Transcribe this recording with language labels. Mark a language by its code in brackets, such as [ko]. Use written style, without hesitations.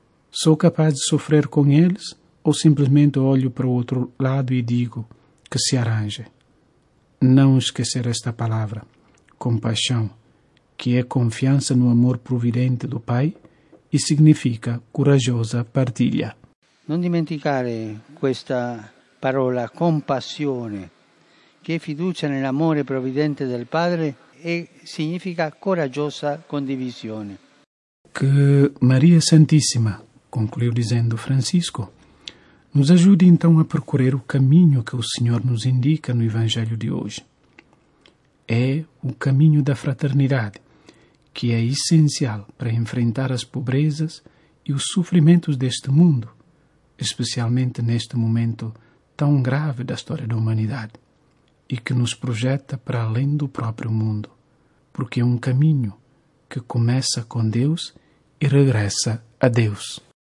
[pt] Sou capaz de sofrer com eles ou simplesmente olho para o outro lado e digo que se arranje. Não esquecer esta palavra, compaixão, que é confiança no amor providente do Pai e significa corajosa partilha. [it] Não dimenticare questa parola, compassione, che è fiducia nell'amore providente del Padre, e significa corajosa condivisione. [pt] Que Maria Santíssima, concluiu dizendo Francisco, nos ajude então a percorrer o caminho que o Senhor nos indica no Evangelho de hoje. É o caminho da fraternidade, que é essencial para enfrentar as pobrezas e os sofrimentos deste mundo, especialmente neste momento tão grave da história da humanidade, e que nos projeta para além do próprio mundo, porque é um caminho que começa com Deus e regressa a Deus.